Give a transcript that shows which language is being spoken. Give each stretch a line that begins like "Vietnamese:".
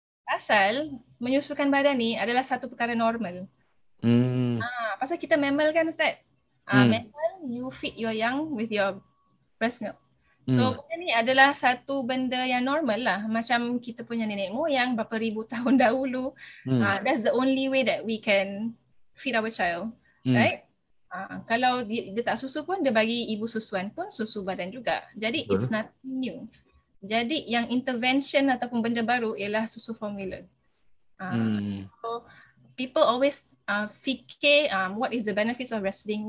Malay: Asal menyusukan badan ni adalah satu perkara normal. Pasal kita mammal kan Ustaz?
English: Mammal, you feed your young with your breast milk.
Malay: So benda ni adalah satu benda yang normal lah. Macam kita punya nenek moyang berapa ribu tahun dahulu.
English: That's the only way that we can feed our child.
Malay: Right? Kalau dia tak susu pun, dia bagi ibu susuan pun susu badan juga. Jadi
English: it's nothing new.
Malay: Jadi yang intervention ataupun benda baru ialah susu formula.
English: So people always
Malay: fikir
English: what is the benefits of breastfeeding?